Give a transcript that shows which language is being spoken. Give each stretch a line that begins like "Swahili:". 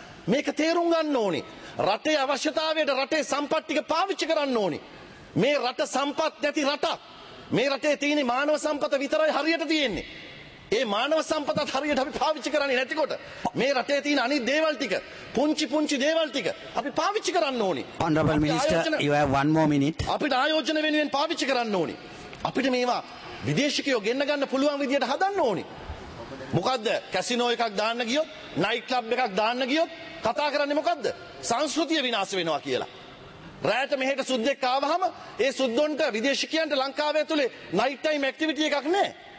Sinhala: මේක තේරුම් ගන්න ඕනේ. රටේ අවශ්‍යතාවයට රටේ සම්පත් ටික පාවිච්චි කරන්න ඕනේ. මේ රට සම්පත් නැති රටක්. මේ රටේ තියෙන මානව සම්පත විතරයි හරියට තියෙන්නේ. ඒ මානව සම්පතත් හරියට අපි පාවිච්චි කරන්නේ නැතිකොට මේ රටේ තියෙන අනිත් දේවල් ටික, පුංචි පුංචි දේවල් ටික අපි පාවිච්චි කරන්න ඕනේ.
English: Honorable Minister, you have one more minute.
Sinhala: අපිට ආයෝජන වෙනුවෙන් පාවිච්චි කරන්න ඕනේ. අපිට මේවා විදේශිකයෝ ගෙන්න ගන්න පුළුවන් විදියට හදන්න ඕනේ. මොකද්ද? කැසිනෝ එකක් දාන්න ගියොත්, නයිට් ක්ලබ් එකක් දාන්න ගියොත් කතා කරන්නේ මොකද්ද? සංස්කෘතිය විනාශ වෙනවා කියලා. රෑට මෙහෙට සුද්දෙක් ආවහම ඒ සුද්දොන්ට විදේශිකයන්ට ලංකාවේ තුලේ නයිට් ටයිම් ඇක්ටිවිටි එකක් නැහැ.